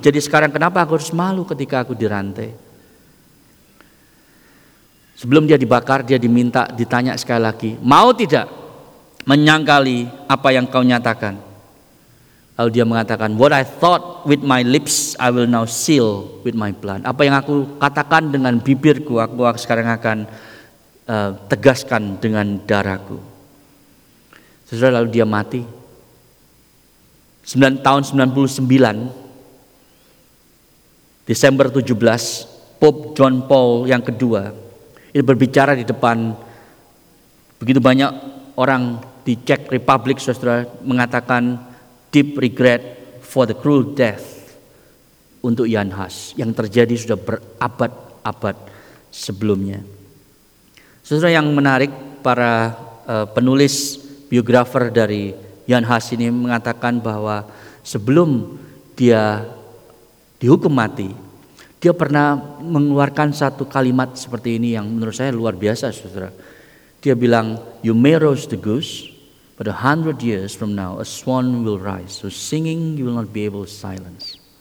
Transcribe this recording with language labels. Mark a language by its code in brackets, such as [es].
[id] Jadi sekarang kenapa aku harus malu ketika aku dirantai? Sebelum dia dibakar, dia diminta, ditanya sekali lagi, "Mau tidak menyangkali apa yang kau nyatakan?" Lalu dia mengatakan, [en] "What I thought with my lips, I will now seal with my blood." [id] Apa yang aku katakan dengan bibirku, aku sekarang akan tegaskan dengan darahku. Setelah lalu dia mati. Tahun 99, Desember 17, Pope John Paul yang kedua, itu berbicara di depan begitu banyak orang di Czech Republic, saudara, mengatakan [en] deep regret for the cruel death [id] untuk Jan Hus yang terjadi sudah berabad-abad sebelumnya. Saudara, yang menarik, para penulis biografer dari Jan Hus ini mengatakan bahwa sebelum dia dihukum mati, dia pernah mengeluarkan satu kalimat seperti ini yang menurut saya luar biasa, saudara. Dia bilang, [en] "You may roast the goose, but 100 years from now, a swan will rise. So singing, you will not be able to silence."